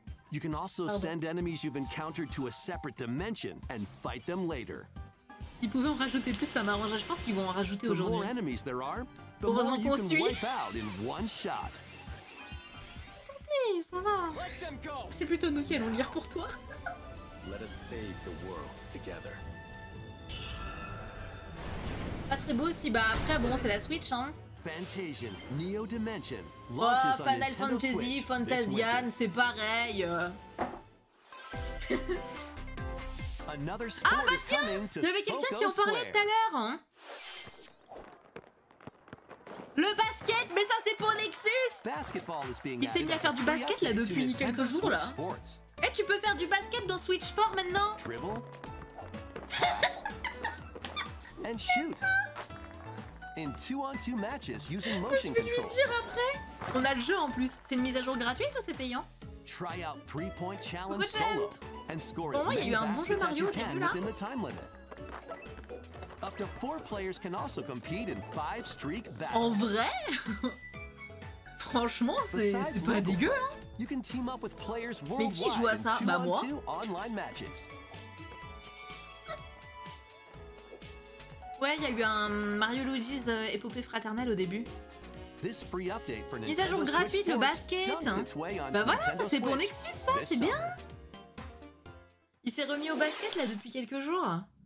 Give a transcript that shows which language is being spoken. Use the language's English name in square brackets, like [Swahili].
[English] You can also send enemies you've encountered to a separate dimension and fight them later. [French] Ils pouvaient en rajouter plus, ça m'arrangerait. Je pense qu'ils vont en rajouter aujourd'hui. [English] The more enemies there are, the more you can wipe out in one shot. [French] Attendez, ça va. C'est plutôt nous qui allons lire pour toi. [English] Let us save the world together. [French] Pas très beau aussi, bah après bon c'est la Switch hein. [English] Fantasian, Neo Dimension, launches on Nintendo Switch. [French] Oh, Final Fantasy, Fantasian, c'est pareil. Ah bah tiens, il y avait quelqu'un qui en parlait tout à l'heure hein. Le basket, mais ça c'est pour Nexus. Il s'est mis à faire du basket là depuis quelques jours là. Eh, tu peux faire du basket dans Switch Sport maintenant. [English] And shoot in two-on-two matches using motion controls. [French] Je vais lui dire après. On a le jeu en plus. C'est une mise à jour gratuite ou c'est payant? [English] Try out three-point challenge solo and score as many baskets as you can within the time limit. Up to four players can also compete in five streak battles. [French] En vrai? Franchement, c'est pas dégueu. Hein? [English] You can team up with players worldwide in two-on-two online matches. [French] Ouais, il y a eu un Mario Luigi's épopée fraternelle au début. Mise à jour gratuite, le basket. Bah voilà, ça c'est pour Nexus, ça, c'est bien. Il s'est remis au basket là depuis quelques jours.